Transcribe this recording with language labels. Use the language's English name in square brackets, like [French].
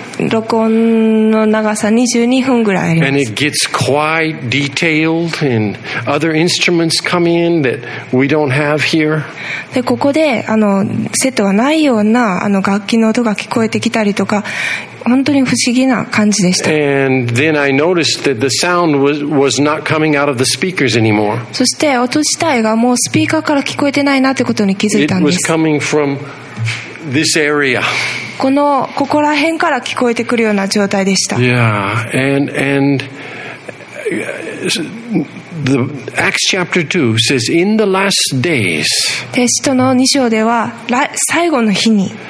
[Japanese] 録音の長さ22分ぐらいあります。 [English] And it gets quite detailed, and other instruments come in that we don't have here. [Japanese] で、ここで、セットがないような、楽器の音が聞こえてきたりとか、本当に不思議な感じでした。 [English] And then I noticed that the sound was not coming out of the speakers anymore. [Japanese] そして音自体がもうスピーカーから聞こえてないなってことに気づいたんです。 [English] It was coming from this area. [Japanese] このここら辺から聞こえてくるような状態でした。 [English] Yeah, and the Acts chapter 2 says, in the last days, [Japanese] 使徒の2章では最後の日に、